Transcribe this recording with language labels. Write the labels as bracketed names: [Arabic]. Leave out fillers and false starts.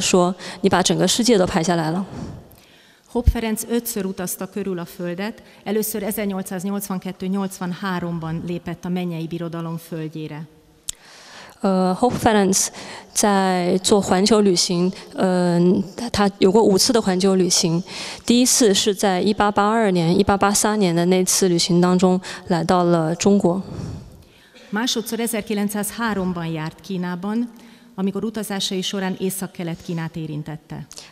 [Chinese] 他在旅行当中一直都带着他的摄像机，他做他拍的照片那么多，他的朋友都会开玩笑的说：“你把整个世界都拍下来了。” [Hungarian] Hope Ferenc ötször utazta körül a Földet, először 1882-83-ban lépett a mennyei birodalom földjére. [Chinese] Hope Ferenc 在做环球旅行，他有过五次的环球旅行，第一次是在 1882年、1883年的那次旅行当中来到了中国。 [Hungarian] Másodszor 1903-ban járt Kínában, amikor utazásai során Észak-Kelet Kínát érintette.